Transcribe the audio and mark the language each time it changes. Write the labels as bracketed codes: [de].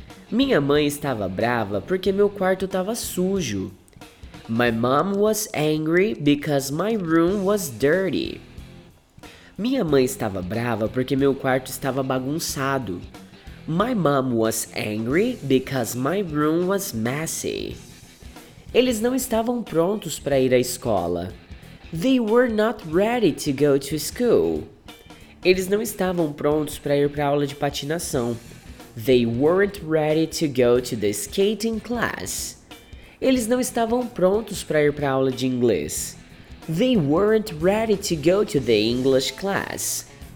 [pt] Minha mãe estava brava porque meu quarto estava sujo. [en] My mom was angry because my room was dirty. [pt] Minha mãe estava brava porque meu quarto estava bagunçado. [en] My mom was angry because my room was messy. [pt] Eles não estavam prontos para ir à escola. [en] They were not ready to go to school. [pt] Eles não estavam prontos para ir para a aula de patinação. [en] They weren't ready to go to the skating class. [pt] Eles não estavam prontos para ir para a aula de inglês. [en] They weren't ready to go to the English class.